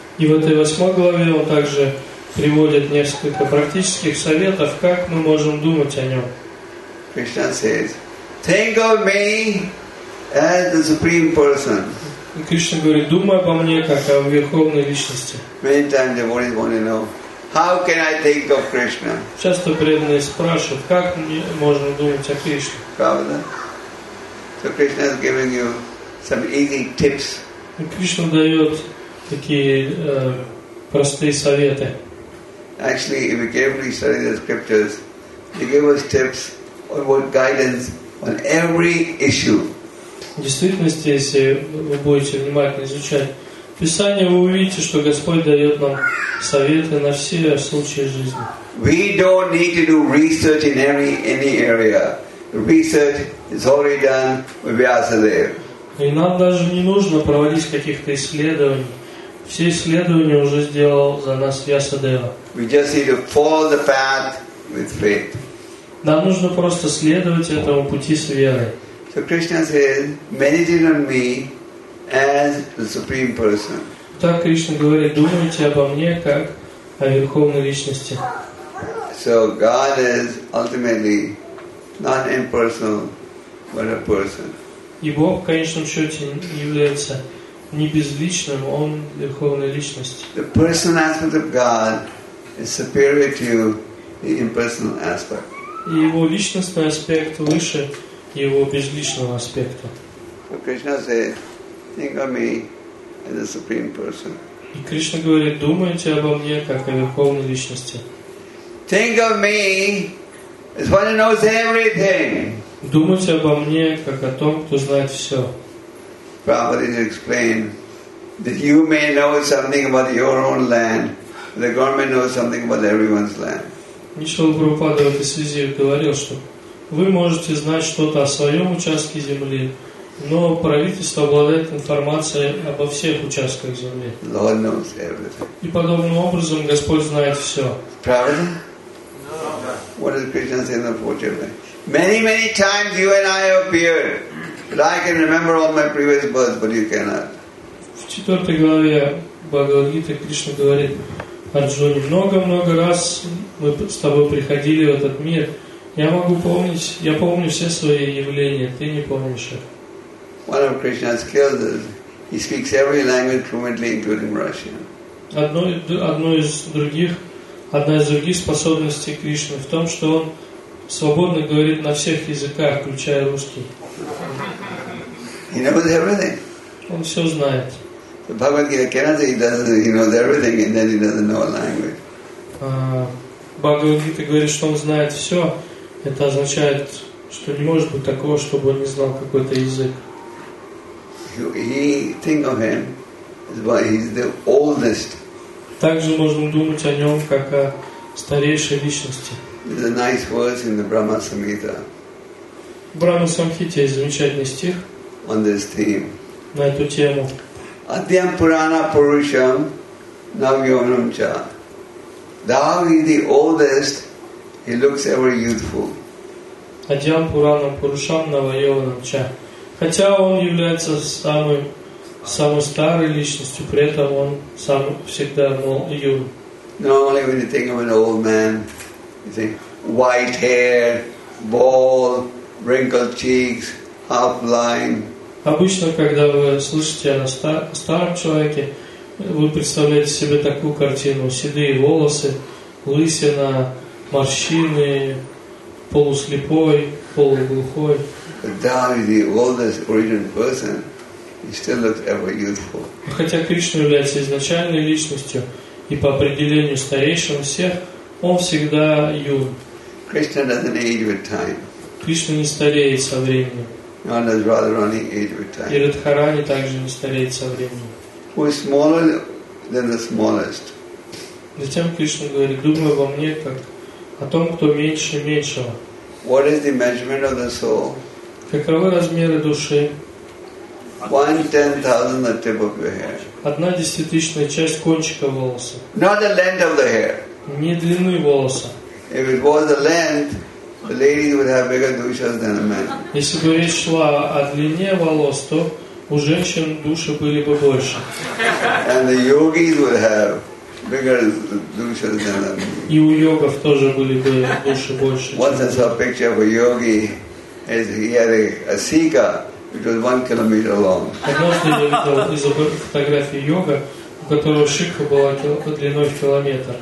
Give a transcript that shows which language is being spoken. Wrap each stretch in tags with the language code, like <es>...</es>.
<ru>И в этой 8 главе он также приводит несколько практических советов, как мы можем думать о нем.</ru> <en>Krishna says, think of me as the Supreme Person.</en> <ru>Кришна говорит, думай обо мне как о Верховной Личности.</ru> <en>Many times devotees want to know, how can I think of Krishna?</en> <ru>Часто преданные спрашивают, как мне можно думать о Кришне. Правда?</ru> <en>So Krishna is giving you some easy tips.</en> <ru>Кришна дает такие простые советы.</ru> <en>Actually, if we carefully study the scriptures, he gave us tips or what guidance on every issue.</en> <ru>В действительности, если вы будете внимательно изучать Писание, вы увидите, что Господь дает нам советы на все случаи жизни.</ru> <en>We don't need to do research in any area. Research is already done with Vyasadeva.</en> <ru>И нам даже не нужно проводить каких-то исследований. Все исследования уже сделал за нас Вьясадева.</ru> <en>We just need to follow the path with faith.</en> <ru>Нам нужно просто следовать этому пути с верой.</ru> <en>So Krishna says, meditate on me as the Supreme Person.</en> <ru>Так Кришна говорит, думайте обо мне как о Верховной Личности.</ru> <en>So God is ultimately not impersonal, but a person.</en> <ru>И Бог в конечном счете является не безличным, Он Верховная Личность.</ru> <en>The personal aspect of God is superior to the impersonal aspect.</en> <ru>И его личностный аспект выше его безличного аспекта.</ru> <en>So Krishna said, think of me as a supreme person.</en> <ru>И Кришна говорит, думайте обо мне как о Верховной Личности.</ru> <en>Think of me as one who knows everything.</en> <ru>Думайте обо мне как о том, кто знает все.</ru> <en>Prabhupada explained that you may know something about your own land, but the government knows something about everyone's land.</en> <ru>Нишвала Прабхупада в этой связи говорил, что вы можете знать что-то о своем участке земли, но правительство обладает информацией обо всех участках земли.</ru> <en>Lord knows everything.</en> <ru>И подобным образом Господь знает все. Правда?</ru> <en>No. What does Krishna say in the 4th chapter? Many, many times you and I appeared, but I can remember all my previous births, but you cannot.</en> <ru>В 4 главе Бхагавад-гиты Кришна говорит, Арджуна, много-много раз мы с тобой приходили в этот мир. Я могу помнить, я помню все свои явления, ты не помнишь их.</ru> <en>One of Krishna's skills is he speaks every language fluently, including Russian.</en> <ru>Одна из других способностей Кришны в том, что он свободно говорит на всех языках, включая русский.</ru> <en>He knows everything.</en> <ru>Он все знает.</ru> <en>The Bhagavad Gita cannot say he knows everything and then he doesn't know a language.</en> <ru>Бхагавад Гита говорит, что он знает все. Это означает, что не может быть такого, чтобы он не знал какой-то язык.</ru> <en>He think of him as why he's the oldest.</en> <ru>Также можно думать о нем как о старейшей личности.</ru> <en>There's a nice verse in the Brahma Samhita.</en> <ru>Брахма Самхите есть замечательный стих</ru> <en>on this theme.</en> <ru>На эту тему.</ru> <sa>Адьям Пурана Пурушам Навьонам Ча.</sa> <en>Thou is the oldest, he looks ever youthful.</en> <sa>Адьям Пурана Пурушам Навьонам Ча.</sa> <ru>Хотя он является самым самой старой личностью, при этом он сам всегда юн.</ru> <en>Normally when you think of an old man, you think white hair, bald, wrinkled cheeks, half blind.</en> <ru>Обычно, когда вы слышите о старом человеке, вы представляете себе такую картину: седые волосы, лысина, морщины, полуслепой, полуглухой.</ru> <en>Thou is the oldest original person. He still looks ever youthful.</en> <ru>Хотя Кришна является изначальной личностью и по определению старейшим всех, он всегда юн.</ru> <en>Krishna doesn't age with time.</en> <ru>Кришна не стареет со временем.</ru> <en>Nor does Radharani age with time.</en> <ru>И Радхарани также не стареет со временем.</ru> <en>Who is smaller than the smallest?</en> <ru>Затем Кришна говорит: думай обо мне как о том, кто меньше меньшего.</ru> <en>What is the measurement of the soul?</en> <ru>Каковы размеры души?</ru> <en>1/10,000 the tip of your hair.</en> <ru>1/10,000 часть кончика волоса.</ru> <en>Not the length of the hair.</en> <ru>Не длины волоса.</ru> <en>If it was the length, the ladies would have bigger dushas than the men.</en> <ru>Если бы речь шла о длине волос, то у женщин души были бы больше.</ru> <en>And the yogis would have bigger dushas than the men.</en> <ru>И у йогов тоже были бы души больше.</ru> <en>Once I saw a picture of a yogi. He had a sika which was 1 kilometer long.</en> <ru>Однажды я видел фотографию йога, у которого шикха была длиной в километр.</ru>